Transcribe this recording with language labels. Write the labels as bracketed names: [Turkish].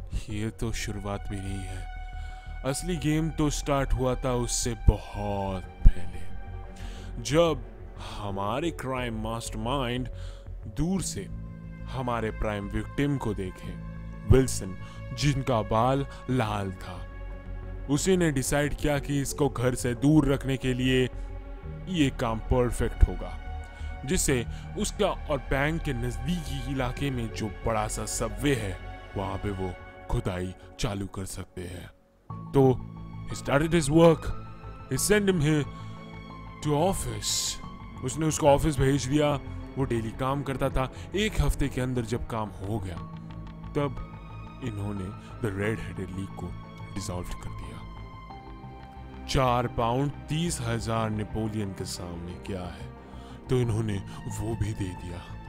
[Hindi] ये तो शुरुआत भी नहीं है। असली गेम तो स्टार्ट हुआ था उससे बहुत पहले, जब हमारे क्राइम मास्टरमाइंड दूर से हमारे प्राइम विक्टिम को देखे, विल्सन, जिनका बाल लाल था। उसी ने डिसाइड किया कि इसको घर से दूर रखने के लिए ये काम परफेक्ट होगा, जिससे उसका और बैंक के नजदीकी इलाके में जो बड़ा सा सबवे है वहां पे वो खुदाई चालू कर सकते हैं। [English] तो he started his work, he sent him here to office. [Hindi] उसने उसको ऑफिस भेज दिया, वो डेली काम करता था। एक हफ्ते के अंदर जब काम हो गया, तब इन्होंने द रेड हेडेड लीग को डिसॉल्व कर दिया। 4 pounds 30,000 नेपोलियन के सामने क्या है, तो इन्होंने वो भी दे दिया।